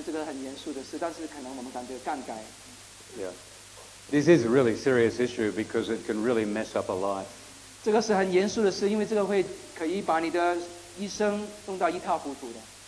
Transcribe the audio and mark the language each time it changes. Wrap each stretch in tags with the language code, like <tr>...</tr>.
<zh>我就得说我不知道为什么我们笑，其实这个很严肃的事，但是可能我们感觉尴尬。</zh> <en>Yeah. This is a really serious issue because it can really mess up a life.</en> <zh>这个是很严肃的事，因为这个会可以把你的一生弄到一塌糊涂的。</zh>